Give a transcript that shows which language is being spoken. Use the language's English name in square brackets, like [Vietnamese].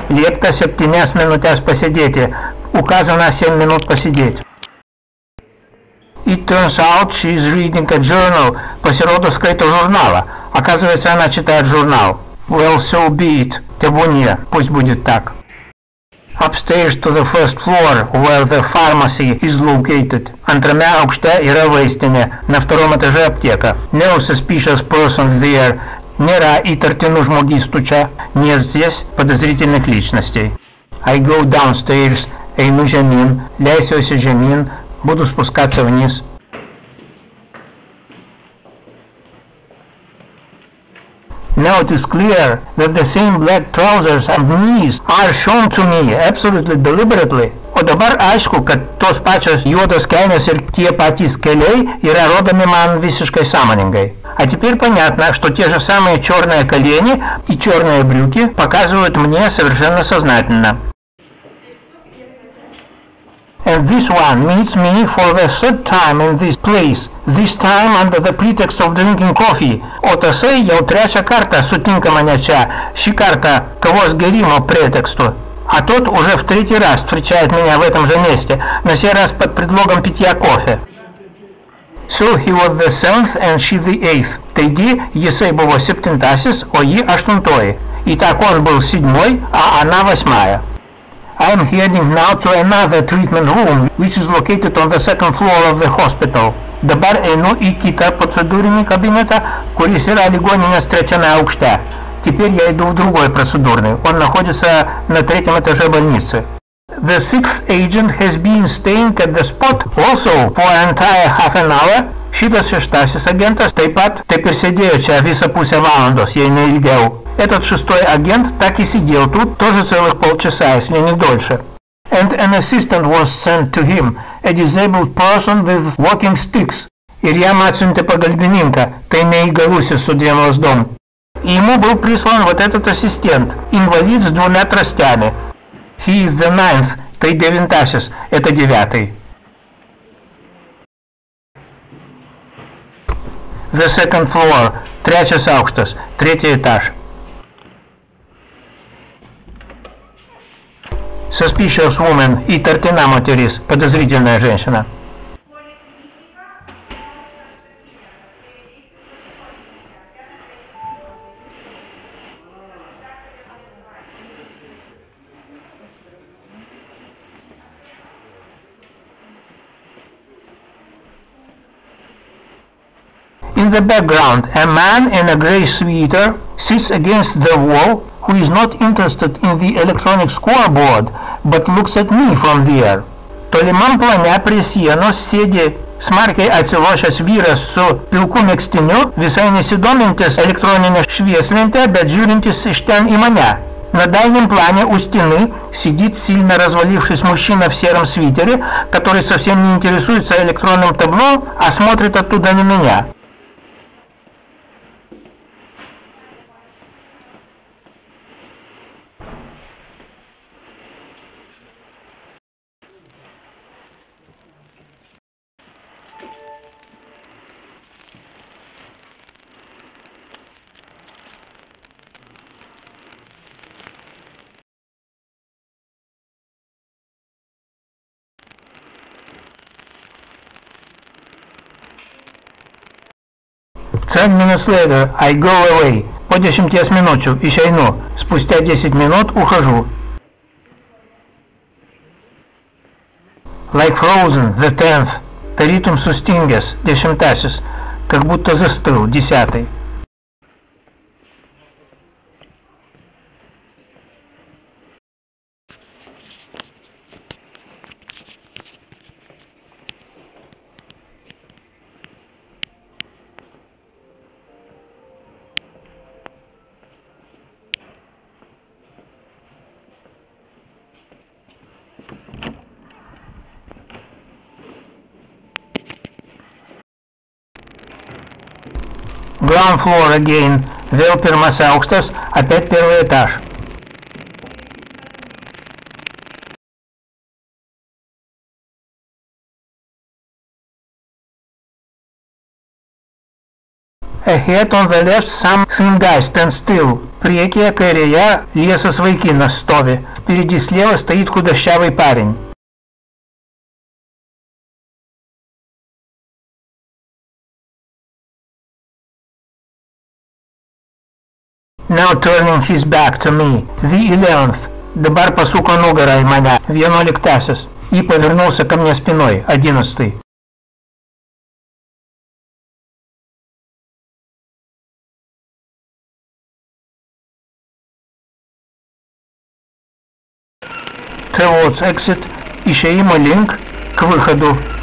[Lithuanian] Liepta 7 minutes pasėdėti. [Russian] Указано 7 минут посидеть. [English] It turns out she is reading a journal. [Lithuanian] Pasirodo skaito žurnalą. [Russian] Оказывается, она читает журнал. [English] Well, so be it. [Russian] Тебе не. Пусть будет так. [English] upstairs to the first floor, where the pharmacy is located. [Lithuanian] Antrame aukšte yra vaistinė, [Russian] na втором этаже аптека. [English] No suspicious persons there. [Lithuanian] Nėra įtartinų žmogystų čia, nes [Russian] здесь подозрительных личностей. [English] I go downstairs, [Lithuanian] einu žemyn, leisiuosi žemyn, [Russian] буду спускаться вниз. [English] Now it is clear that the same black trousers and knees are shown to me absolutely deliberately. [Lithuanian] O dabar aišku, kad tos pačios juodos kelnės ir tie patys keliai yra rodomi man visiškai sąmoningai. [Russian] А теперь понятно, что те же самые черные колени и черные брюки показывают мне совершенно сознательно. [English] And this one meets me for the third time in this place, this time under the pretext of drinking coffee. [Lithuanian] O tasai jau trečią kartą sutinka mane čia, šį kartą kavos gėrimo pretekstu. [Russian] А тот уже в третий раз встречает меня в этом же месте, на сей раз под предлогом питья кофе. [English] So he was the seventh and she the eighth. [Lithuanian] Taigi, jisai buvo septintasis, o ji aštuntoji. [Russian] Итак, он был седьмой, а она восьмая. [English] I am heading now to another treatment room, which is located on the second floor of the hospital. [Lithuanian] Dabar einu į kitą procedūrinį kabinetą, kuris yra ligoninės trečiame aukšte. [Russian] Теперь я иду в другой процедурный. Он находится на третьем этаже больницы. [English] The sixth agent has been staying at the spot also for an entire half an hour. [Lithuanian] Šitas šeštasis agentas taip ir sėdėjo čia visą pusę valandos, jei ne ilgiau. [Russian] Этот шестой агент так и сидел тут тоже целых полчаса, если не дольше. [English] And an assistant was sent to him, a disabled person with walking sticks. [Lithuanian] Ir jam atsiuntė pagalbininką, tai neįgalusis su dviem lazdom. [Russian] И ему был прислан вот этот ассистент, инвалид с двумя тростями. [English] He is the ninth, [Lithuanian] tai devintasis, [Russian] это девятый. [English] The second floor, [Lithuanian] trečias aukštas, [Russian] третий этаж. [English] Suspicious woman, [Lithuanian] įtartina moteris, [Russian] подозрительная женщина. [English] In the background, a man in a grey sweater sits against the wall, who is not interested in the electronic scoreboard, but looks at me from there. [Lithuanian] Tolimam plane prie sienos sėdi smarkiai atsilošęs vyras su pilku mėgstiniu, visai nesidomintis elektroninė švieslentė, bet žiūrintis iš ten į mane. [Russian] На дальнем плане у стены сидит сильно развалившийся мужчина в сером свитере, который совсем не интересуется электронным табло, а смотрит оттуда на меня. [English] Ten minutes later, I go away. [Russian] По 10 минут исчезну. Спустя 10 минут ухожу. [English] Like frozen, the tenth. [Lithuanian] Tarytum sustingęs, dešimtasis. [Russian] Как будто застыл, десятый. [English] Ground floor again, [Lithuanian] vėl pirmas aukštas, [Russian] опять первый этаж. [English] Ahead on the left some thin guy stands still. [Lithuanian] Priekyje kairėje liesas vaikinas stovi. [Russian] Впереди слева стоит худощавый парень. [English] Now turning his back to me, the 11th, [Lithuanian] Дабар пасука нугара и маня. Вьянолик тасис. [Russian] И повернулся ко мне спиной. 11. [English] Towards exit. [Lithuanian] Ишеима линк [Russian] к выходу.